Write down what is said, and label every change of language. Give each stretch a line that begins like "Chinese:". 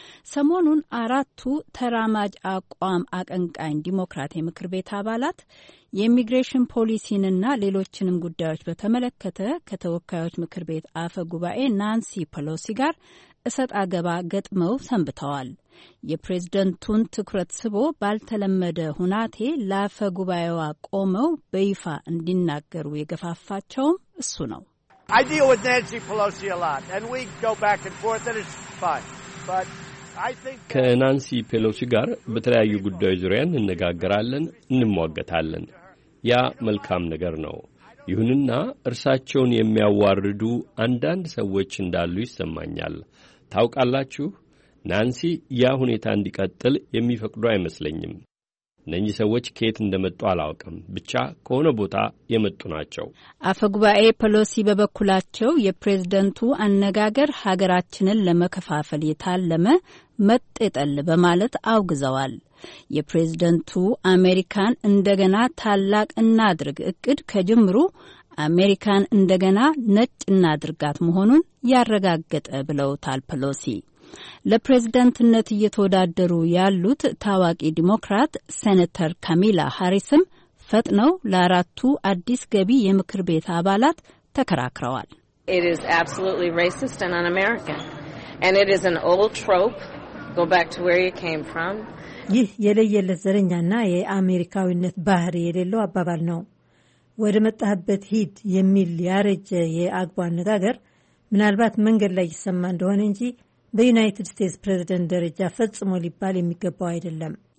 Amharic: ሰሞኑን አራቱ ተራማጅ አቋም አቀንቃኝ ዲሞክራት የምክር ቤት አባላት የኢሚግሬሽን ፖሊሲንና ሌሎችንም ጉዳዮች በተመለከተ ከተወካዮች ምክር ቤት አፈ ጉባኤ ናንሲ ፐሎሲ ጋር እሰጥ አገባ ገጥመው ሰንብተዋል። የፕሬዝደንቱን ትኩረት ስቦ ባልተለመደ ሁናቴ ለአፈ ጉባኤዋ ቆመው በይፋ እንዲናገሩ የገፋፋቸውም እሱ ነው።
English: I deal with Nancy Pelosi a lot and we go back and forth and it's fine. But I think
Amharic: ከናንሲ ፔሎሲ ጋር በተለያዩ ጉዳዮች ዙሪያ እንነጋገራለን፣ እንሟገታለን። ያ መልካም ነገር ነው። ይሁንና እርሳቸውን የሚያዋርዱ አንዳንድ ሰዎች እንዳሉ ይስማኛል። ታውቃላችሁ፣ ናንሲ ያ ሁኔታ እንዲቀጥል የሚፈቅዱ አይመስለኝም። እነኚህ ሰዎች ከየት እንደመጡ አላውቅም፣ ብቻ ከሆነ ቦታ የመጡ ናቸው። አፈጉባኤ ፐሎሲ በበኩላቸው የፕሬዝደንቱ አነጋገር ሀገራችንን ለመከፋፈል የታለመ መጤጠል በማለት አውግዘዋል። የፕሬዝደንቱ አሜሪካን እንደገና ታላቅ እናድርግ እቅድ ከጅምሩ አሜሪካን እንደገና ነጭ እናድርጋት መሆኑን ያረጋገጠ ብለውታል ፐሎሲ። ለፕሬዝዳንትነት እየተወዳደሩ ያሉት ታዋቂ ዲሞክራት ሴኔተር ካሚላ ሃሪስም ፈጥነው ለአራቱ አዲስ ገቢ የምክር ቤት አባላት ተከራክረዋል።
English: It is absolutely racist and un-American. And it is an old trope. Go back to where you came from.
Amharic: ይህ የለየለት ዘረኛና የአሜሪካዊነት ባህሪ የሌለው አባባል ነው። ወደ መጣህበት ሂድ የሚል ያረጀ የአግባነት ሀገር ምናልባት መንገድ ላይ ይሰማ እንደሆነ እንጂ በዩናይትድ ስቴትስ ፕሬዝደንት ደረጃ ፈጽሞ ሊባል የሚገባው አይደለም።